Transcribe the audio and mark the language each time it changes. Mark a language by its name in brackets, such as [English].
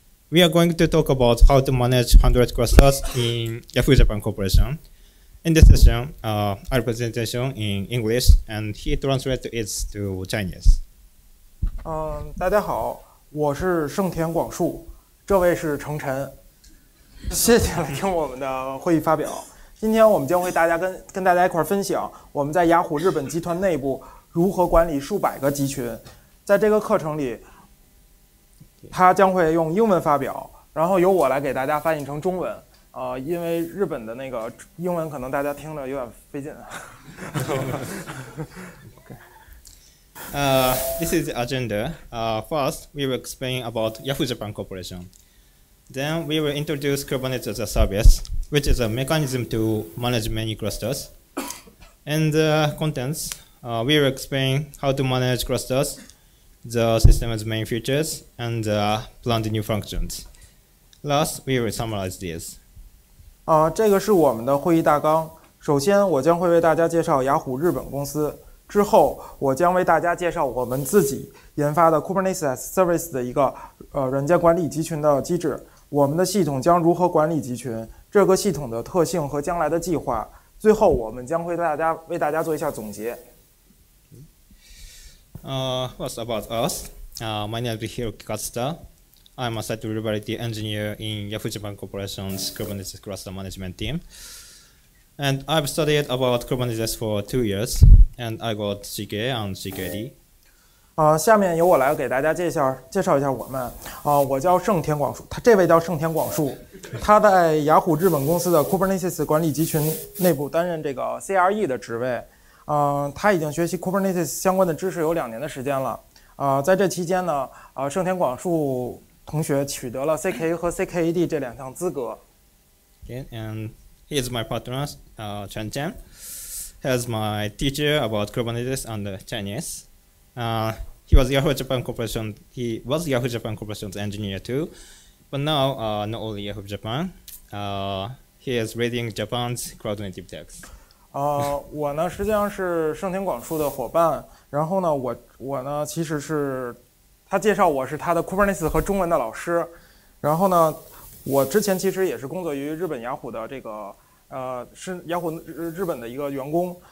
[English] We are going to talk about how to manage 100 clusters in Yahoo Japan Corporation. In this session, our presentation in English, and he translates it to Chinese. [Chinese] 大家好，我是盛田广树，这位是程晨。谢谢来听我们的会议发表。今天我们将会大家跟大家一块分享我们在雅虎日本集团内部如何管理数百个集群。在这个课程里，他将会用英文发表，然后由我来给大家翻译成中文。因为日本的那个英文可能大家听着有点费劲。 [English] This is the agenda. First, we will explain about Yahoo Japan Corporation. Then we will introduce Kubernetes-as-a-Service, which is a mechanism to manage many clusters. And the contents, we will explain how to manage clusters, the system's main features, and plan the new functions. Last, we will summarize this. [Chinese] 这个是我们的会议大纲。首先，我将会为大家介绍雅虎日本公司。之后，我将为大家介绍我们自己研发的 Kubernetes-as-Service 的一个软件管理集群的机制。我们的系统将如何管理集群，这个系统的特性和将来的计划。最后，我们将会为大家做一下总结。 [English] What's about us? My name is Hiroki Katsuta. I'm a Site Reliability Engineer in Yahoo Japan Corporation's Kubernetes Cluster Management Team. And I've studied about Kubernetes for 2 years, and I got CK and CKD. [Chinese] 下面由我来给大家介绍一下我们。我叫盛田广树，这位叫盛田广树，他在雅虎日本公司的 Kubernetes 管理集群内部担任这个 CRE 的职位。他已经学习 Kubernetes 相关的知识有2年的时间了。在这期间呢，盛田广树同学取得了 CKA 和 CKAD 这两项资格。 [English] Okay, and he is my partner, Chen Chen. He is my teacher about Kubernetes and Chinese. He was Yahoo Japan Corporation. He was Yahoo Japan Corporation's engineer too, but now not only Yahoo Japan. He is reading Japan's cloud native text. [Chinese] 我呢实际上是盛田广树的伙伴。然后呢，我呢其实是他介绍我是他的 Kubernetes 和中文的老师。然后呢，我之前其实也是工作于日本雅虎的这个是雅虎日本的一个员工。